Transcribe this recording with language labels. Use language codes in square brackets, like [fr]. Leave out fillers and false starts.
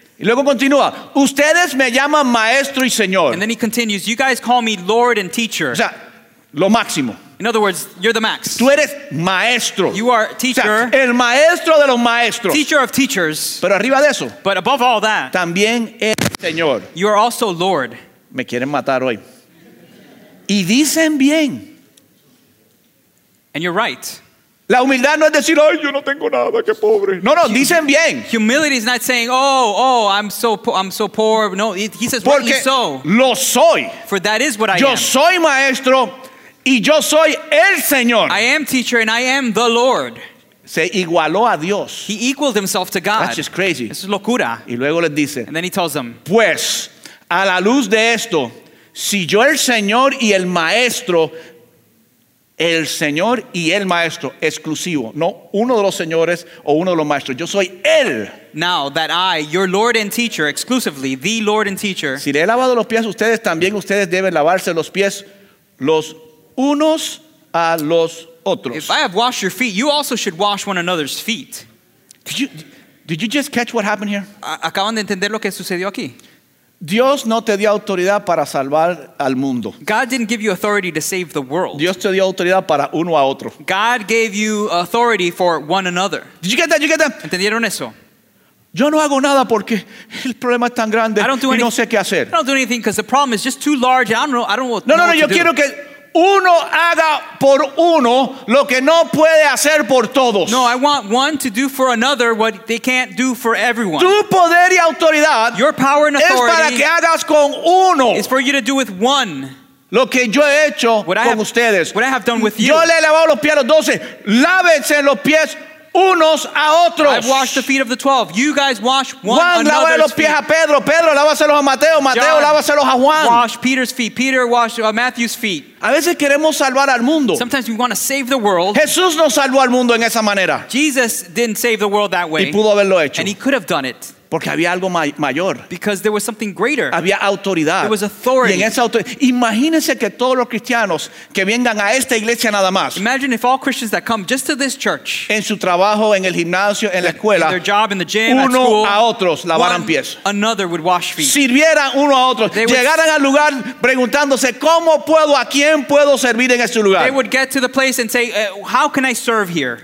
[es] Y luego continúa, ustedes me llaman maestro y señor. [en] And then he continues, you guys call me Lord and teacher. [es] O sea, lo máximo. [en] In other words, you're the max. [es] Tú eres maestro. [en] You are teacher. [es] O sea, el maestro de los maestros. [en] Teacher of teachers. [es] Pero arriba de eso. [en] But above all that. [es] También eres señor. [en] You are also Lord. [es] Me quieren matar hoy. Y dicen bien. [en] And you're right. [es] La humildad no es decir, ay, yo no tengo nada, qué pobre. No, no, dicen bien. [en] Humility is not saying, oh, I'm so poor. No, he says, [es] porque [en] rightly so. [es] Lo soy. [en] For that is what I [es] yo [en] am. [es] Yo soy maestro y yo soy el Señor. [en] I am teacher and I am the Lord. [es] Se igualó a Dios. [en] He equaled himself to God. That's just crazy. [es] Es locura. Y luego les dice. [en] And then he tells them. [es] Pues, a la luz de esto, si yo el Señor y el maestro el Señor y el Maestro, exclusivo. No uno de los señores o uno de los maestros. Yo soy él. [en] Now that I, your Lord and teacher, exclusively, the Lord and teacher. [es] Si le he lavado los pies a ustedes, también ustedes deben lavarse los pies los unos a los otros. [en] If I have washed your feet, you also should wash one another's feet. Did you just catch what happened here? [es] Acaban de entender lo que sucedió aquí. Dios no te dio autoridad para salvar al mundo. [en] God didn't give you authority to save the world. [es] Dios te dio autoridad para uno a otro. [en] God gave you authority for one another. Did you get that? [es] ¿Entendieron eso? Yo no hago nada porque el problema es tan grande y no sé qué hacer. [en] I don't do anything because the problem is just too large. I don't know what to do. [es] No, yo quiero que uno haga por uno lo que no puede hacer por todos. [en] No, I want one to do for another what they can't do for everyone. [es] Tu poder y autoridad, [en] your power and authority, [es] es para que hagas con uno. [en] It's for you to do with one. [es] Lo que yo he hecho [en] what [es] con [en] I have, [es] ustedes. [en] What I have done with you. [es] Yo le he lavado los pies a los 12. Lávense los pies unos a otros. [en] I've washed the feet of the 12. You guys wash one another's feet. [es] Juan, lávale los pies a Pedro. Pedro, lávaselos a Mateo. Mateo, lávaselos a Juan. [en] Wash Peter's feet. Peter, wash Matthew's feet. [es] A veces queremos salvar al mundo. [en] Sometimes we want to save the world. [es] Jesús no salvó al mundo en esa manera. [en] Jesus didn't save the world that way. [es] Y pudo haberlo hecho. [en] And he could have done it. [es] Porque había algo mayor. [en] Because there was something greater. [es] Había autoridad. [en] There was authority. [es] Y en esa autoridad, imagínense que todos los cristianos que vengan a esta iglesia nada más. [en] Imagine if all Christians that come just to this church. [es] En su trabajo, en el gimnasio, en la escuela. [en] In their job, in the gym, at school. [es] Uno a otros lavaran pies. [en] Another would wash feet. [es] Sirvieran uno a otro. Llegaran al lugar preguntándose cómo puedo, a quién puedo servir en este lugar. [en] They would get to the place and say, how can I serve here?